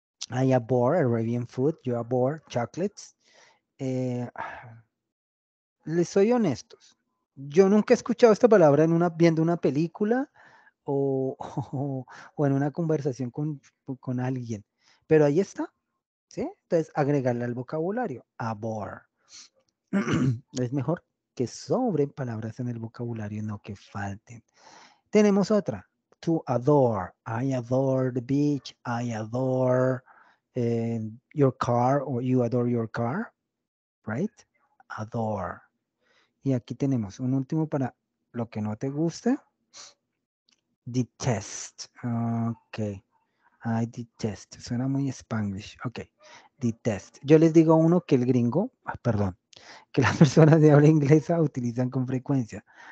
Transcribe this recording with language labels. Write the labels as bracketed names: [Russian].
[English] I abhor Arabian food, you abhor chocolates. [Spanish] Les soy honestos, yo nunca he escuchado esta palabra en una, viendo una película o en una conversación con alguien, pero ahí está, ¿sí? Entonces, agregarle al vocabulario, abhor. Es mejor que sobren palabras en el vocabulario, no que falten. Tenemos otra, [English] to adore. I adore the beach. I adore your car, or you adore your car, right? Adore. [Spanish] Y aquí tenemos un último para lo que no te guste. [English] Detest. Okay. I detest. [Spanish] Suena muy Spanglish. Okay. Detest. Yo les digo uno que el gringo, perdón, que las personas de habla inglesa utilizan con frecuencia.